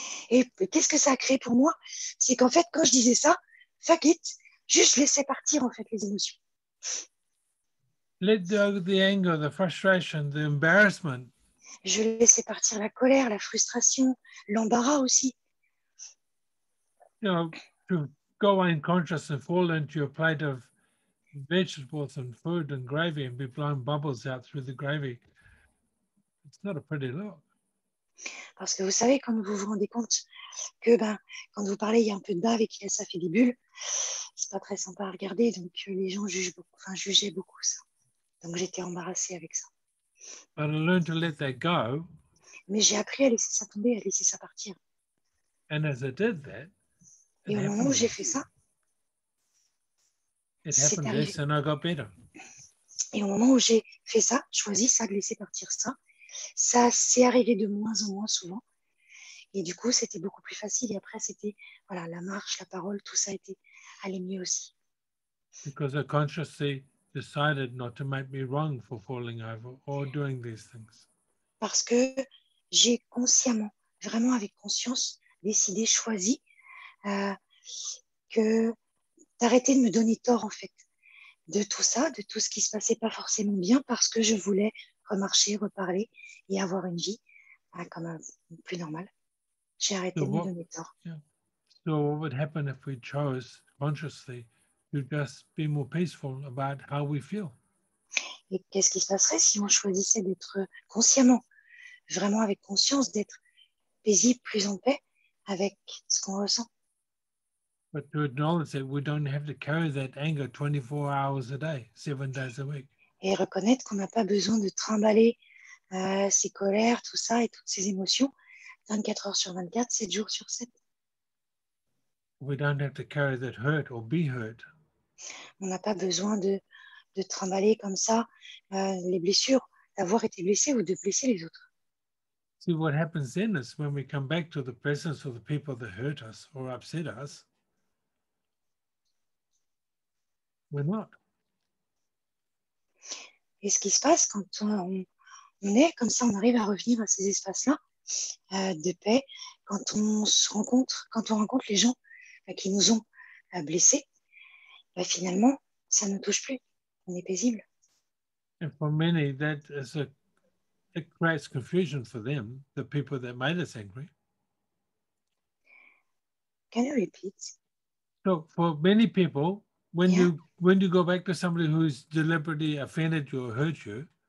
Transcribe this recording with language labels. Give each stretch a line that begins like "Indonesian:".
French: Et qu'est-ce que ça a créé pour moi? C'est qu'en fait, quand je disais ça,
English: fuck it,
French: juste laissais partir en fait les émotions.
English: Let go the anger, the frustration, the embarrassment.
French: Je laissais partir la colère, la frustration, l'embarras aussi.
English: You know, to go unconscious and fall into your plate of vegetables and food and gravy and be blowing bubbles out through the gravy, it's not a pretty look.
French: Parce que vous savez, quand vous vous rendez compte que ben, quand vous parlez, il y a un peu de bave et que ça fait des bulles, c'est pas très sympa à regarder. Donc les gens jugent beaucoup, enfin, jugeaient beaucoup ça. Donc j'étais embarrassée avec ça.
English: But I learned to let that go.
French: Mais j'ai appris à laisser ça tomber, à laisser ça partir.
English: And as I did that,
French: et au moment où j'ai fait ça,
English: it happened less and I got better.
French: Et au moment où j'ai fait ça, choisi ça, de laisser partir ça, ça s'est arrivé de moins en moins souvent. Et du coup, c'était beaucoup plus facile. Et après, c'était voilà, la marche, la parole, tout ça était, allait mieux aussi.
English: Because I consciously decided not to make me wrong for falling over or doing these things.
French: Parce que j'ai consciemment, vraiment avec conscience, décidé, choisi que d'arrêter de me donner tort en fait de tout ça, de tout ce qui se passait pas forcément bien, parce que je voulais remarcher, reparler et avoir une vie comme plus normale. J'ai arrêté de me donner tort.
English: Yeah. So what would happen if we chose consciously to just be more peaceful about how we feel?
French: Et qu'est-ce qui se passerait si on choisissait d'être consciemment, vraiment avec conscience, d'être paisible, plus en paix avec ce qu'on ressent?
English: But to acknowledge that we don't have to carry that anger 24 hours a day, 7 days a week.
French: Et reconnaître qu'on n'a pas besoin de trimballer ses colères, tout ça et toutes ses émotions 24 heures sur 24, 7 jours sur 7.
English: We don't have to carry that hurt or be hurt.
French: On n'a pas besoin de trimballer comme ça les blessures, d'avoir été blessé ou de blesser les autres.
English: See what happens then is when we come back to the presence of the people that hurt us or upset us. We're not.
French: Et ce qui se passe quand on est comme ça, on arrive à revenir à ces espaces-là de paix, quand on se rencontre, quand on rencontre les gens qui nous ont blessés, ben finalement, ça ne nous touche plus. On est paisible.
English: And for many, that is it creates confusion for them, the people that made us angry. Can you repeat? So for many people, when you go back to somebody who's deliberately offended you or hurt you,